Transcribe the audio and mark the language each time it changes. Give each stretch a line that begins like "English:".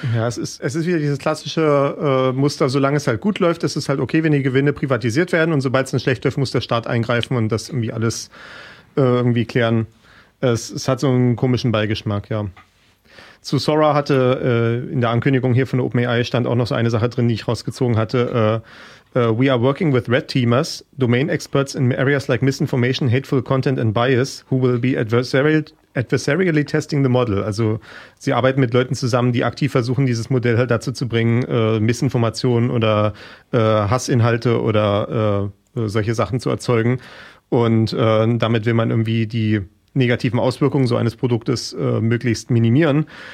German: Ja, es ist wieder dieses klassische Muster, solange es halt gut läuft, ist es halt okay, wenn die Gewinne privatisiert werden und sobald es dann schlecht läuft, muss der Staat eingreifen und das irgendwie alles irgendwie klären. Es hat so einen komischen Beigeschmack, ja. Zu Sora hatte in der Ankündigung hier von OpenAI stand auch noch so eine Sache drin, die ich rausgezogen hatte.
English: We are working with red teamers, domain experts in areas like misinformation, hateful content and bias, who will be adversarially testing the model.
German: Also sie arbeiten mit Leuten zusammen, die aktiv versuchen, dieses Modell halt dazu zu bringen, Missinformationen oder Hassinhalte oder solche Sachen zu erzeugen. Und damit will man irgendwie die negativen Auswirkungen so eines Produktes möglichst minimieren.